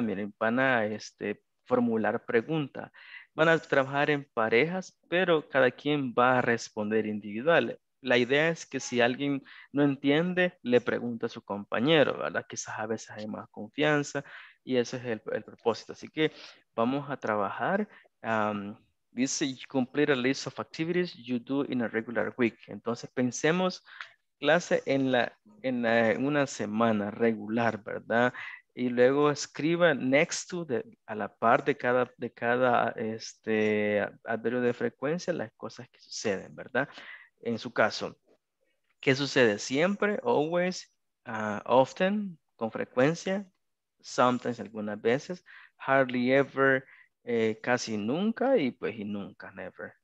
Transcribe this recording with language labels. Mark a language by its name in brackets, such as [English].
[Spanish] Miren, van a formular preguntas. Van a trabajar en parejas, pero cada quien va a responder individual. La idea es que si alguien no entiende, le pregunta a su compañero, ¿verdad? Quizás a veces hay más confianza y ese es el propósito. Así que vamos a trabajar. Dice, [English] you complete a list of activities you do in a regular week. [Spanish] Entonces, pensemos clase en una semana regular, ¿verdad? Y luego escriba a la par de cada adverbio de frecuencia, las cosas que suceden, ¿verdad? En su caso, ¿qué sucede? Siempre, always, often, con frecuencia, sometimes, algunas veces, hardly ever, casi nunca y nunca, never.